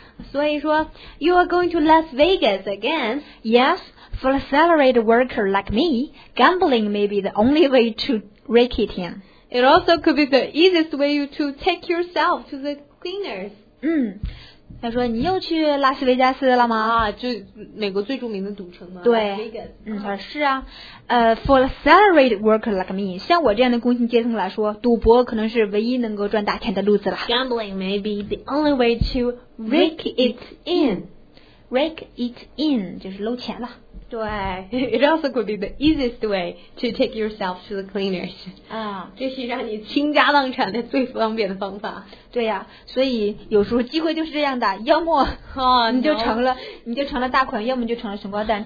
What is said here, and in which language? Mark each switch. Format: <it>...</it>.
<zh>所以说</zh> <en>You are going to Las Vegas again? Yes, for a salaried worker like me, gambling may be the only way to rake it in. It also could be the easiest way to take yourself to the cleaners.</en> <zh>嗯，他说你又去拉斯维加斯了吗？啊，就美国最著名的赌城吗？对。嗯，他说是啊。</zh> <en>For a salaried worker like me,</en> <zh>像我这样的工薪阶层来说，赌博可能是唯一能够赚大钱的路子了。</zh> <en>Gambling may be the only way to rake it in. Rake it in</en> <zh>就是搂钱了。对。</zh> <en>It also could be the easiest way to take yourself to the cleaners.</en> <zh>啊，这是让你倾家荡产的最方便的方法。对呀、啊，所以有时候机会就是这样的，要么、</zh> <en>oh, no.</en> <zh>你就成了大款，要么就成了穷光蛋。</zh>